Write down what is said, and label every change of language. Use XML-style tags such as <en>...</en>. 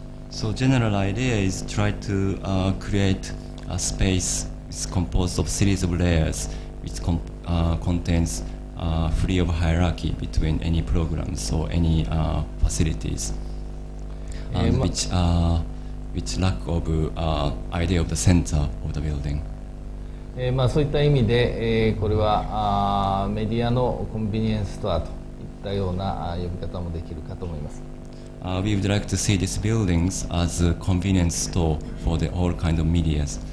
<en>So general idea is try to create a space is composed of series of layers which contains free of hierarchy between any programs or any facilities. And which lack of idea of the center of the building.</en> <ja>そういった意味で、これは、メディアのコンビニエンスストアといったような呼び方もできるかと思います。</ja> <en>We would like to see these buildings as a convenience store for the all kind of media.</en>